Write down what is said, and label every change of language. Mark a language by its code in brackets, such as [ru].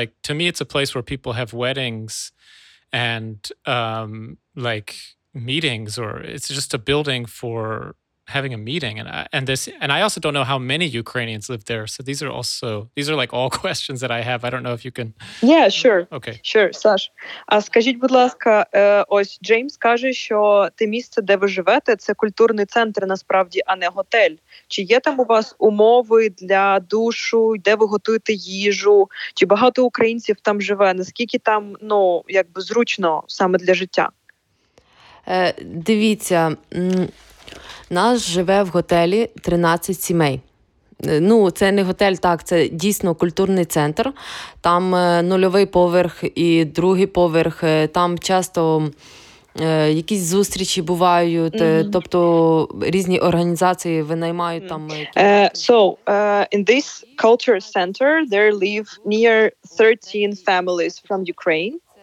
[en] Like, to me, it's a place where people have weddings and like meetings, or it's just a building for having a meeting, and I also don't know how many Ukrainians live there. So these are like all questions that I have. I don't know if you can. Yeah, sure. Okay. Sure, Саш. [uk] А скажіть, будь ласка, ось Джеймс каже, що те місце, де ви живете, це культурний центр насправді, а не готель. Чи є там у вас умови для душу, де ви готуєте їжу? Чи багато українців там живе? Наскільки там, ну, якби зручно саме для життя? Дивіться, нас живе в готелі 13 сімей. Ну, це не готель, так, це дійсно культурний центр. Там нульовий поверх і другий поверх. Там часто якісь зустрічі бувають, тобто різні організації винаймають там. [en] In this culture center there live near 13 families from Ukraine.